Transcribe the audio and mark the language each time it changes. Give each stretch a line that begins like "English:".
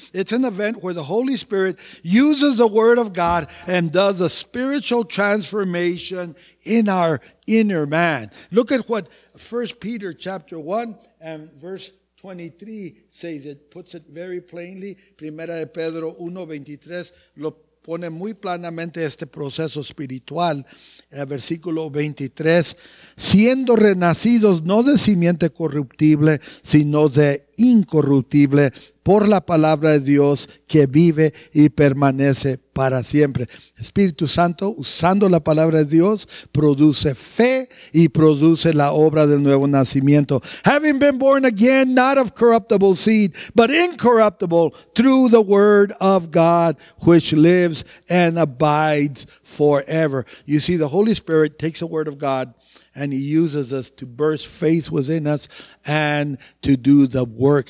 English: It's an event where the Holy Spirit uses the Word of God and does a spiritual transformation in our inner man. Look at what 1 Peter chapter 1 and verse 23 says. It puts it very plainly.
Spanish: Primera de Pedro 1:23 lo pone muy planamente este proceso espiritual. Versículo 23, siendo renacidos no de simiente corruptible, sino de incorruptible, por la palabra de Dios que vive y permanece para siempre. Espíritu Santo, usando la palabra de Dios, produce fe y produce la obra del nuevo nacimiento.
English: Having been born again, not of corruptible seed, but incorruptible, through the word of God, which lives and abides forever. You see, the Holy Spirit takes the word of God, and he uses us to burst faith within us and to do the work.